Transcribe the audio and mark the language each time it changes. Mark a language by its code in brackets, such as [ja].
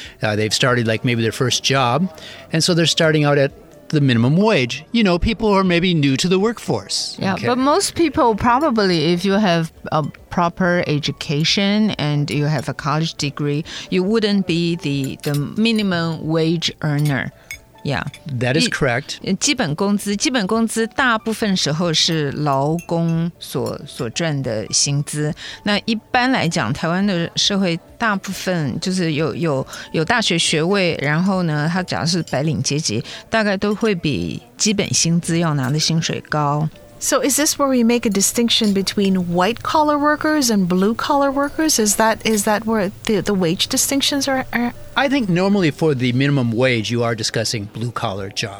[en] They've started like maybe their first job, and so they're starting out at the minimum wage, you know, people who are maybe new to the workforce. Yeah, okay. But most people probably, if you have a proper education and you have a college degree, you wouldn't be the minimum wage earner. Yeah, that is correct. [zh] 基本工资大部分时候是劳工所赚的薪资。那一般来讲，台湾的社会大部分就是有大学学位，然后呢，他假如是白领阶级，大概都会比基本薪资要拿的薪水高。 [en] So is this where we make a distinction between white-collar workers and blue-collar workers? Is that where the wage distinctions are? I think normally for the minimum wage, you are discussing blue-collar jobs.